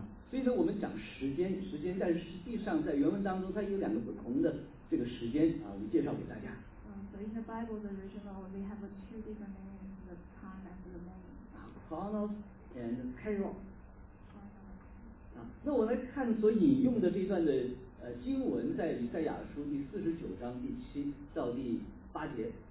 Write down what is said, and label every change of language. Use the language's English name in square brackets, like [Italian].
[Chinese] 所以说我们讲时间，时间，但实际上在原文当中，它有两个不同的这个时间啊，我们介绍给大家。 [English] So in the Bible, the original, they have two different names: the time and the moment. Chronos and Kairos. [Chinese] 那我来看所引用的这段的经文，在以赛亚书第四十九章第七到第八节。